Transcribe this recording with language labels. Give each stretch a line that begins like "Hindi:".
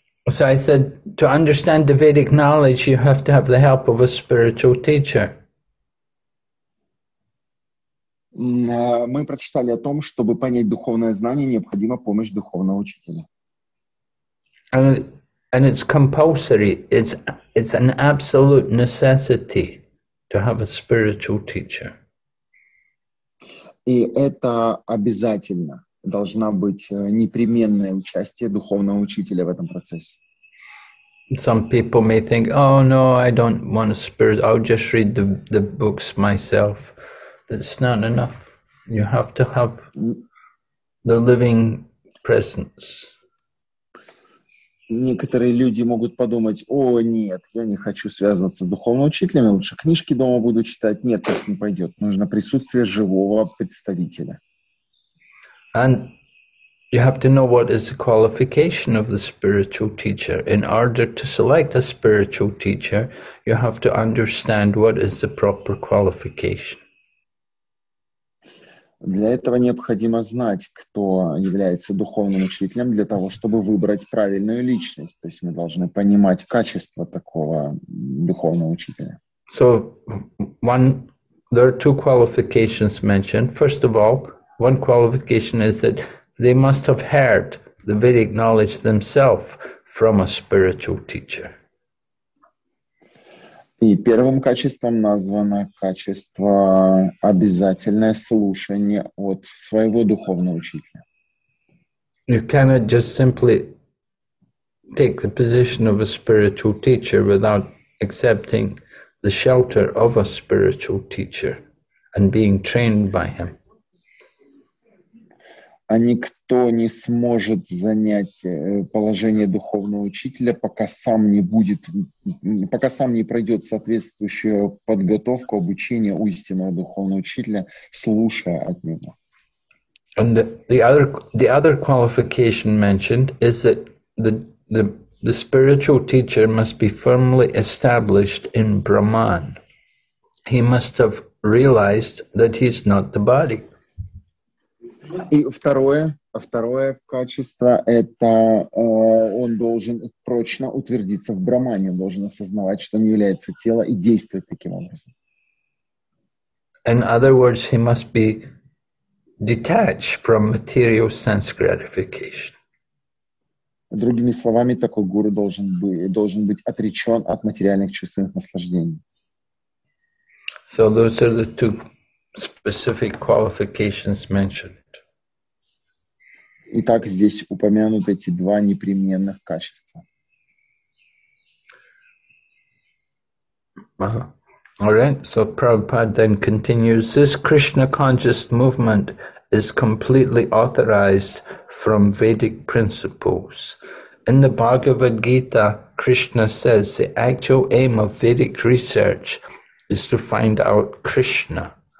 English: So I said, to understand the Vedic knowledge, you have to have the help of a spiritual teacher.
Russian: Мы прочитали о том, чтобы понять духовное знание, необходима помощь духовного учителя.
English: And it's compulsory. It's an absolute necessity to have a spiritual teacher.
Russian: И это обязательно должна быть непременное участие духовного учителя в этом процессе.
English: Some people may think, oh no, I don't want a spirit, I'll just read the books myself. That's not enough. You have to have the living presence.
Russian: Некоторые люди могут подумать, о нет, я не хочу связываться с духовным учителем, лучше книжки дома буду читать. Нет, так не пойдет. Нужно присутствие живого представителя.
English: And you have to know what is the qualification of the spiritual teacher. In order to select a spiritual teacher, you have to understand what is the proper qualification.
Russian: Для этого необходимо знать, кто является духовным учителем, для того, чтобы выбрать правильную личность. То есть мы должны понимать качество такого духовного учителя.
English: So, there are two qualifications mentioned. First of all, one qualification is that they must have heard the Vedic knowledge themselves from a spiritual teacher.
Russian: И первым качеством названо качество обязательное слушание от своего духовного учителя.
English: You cannot just simply take the position of a spiritual teacher without accepting the shelter of a spiritual teacher and being trained by him.
Russian: А никто не сможет занять положение духовного учителя, пока сам не будет, пока сам не пройдет соответствующую подготовку, обучение у истинного духовного учителя, слушая от него.
English: And the other qualification mentioned is that the spiritual teacher must be firmly established in Brahman. He must have realized that he's not the body.
Russian: И второе качество – это он должен прочно утвердиться в Брахмане, он должен осознавать, что не является тело, и действовать таким образом.
English: In other words, he must be detached from material sense gratification.
Russian: Другими словами, такой гуру должен быть отречен от материальных чувственных наслаждений.
English: So those are the two specific qualifications mentioned.
Russian: Итак, здесь упомянуты эти два непременных качества.
English: All right, so Prabhupada then continues, this Krishna conscious movement is completely authorized from Vedic principles. In the Bhagavad Gita, Krishna says the actual aim of Vedic research is to find out Krishna.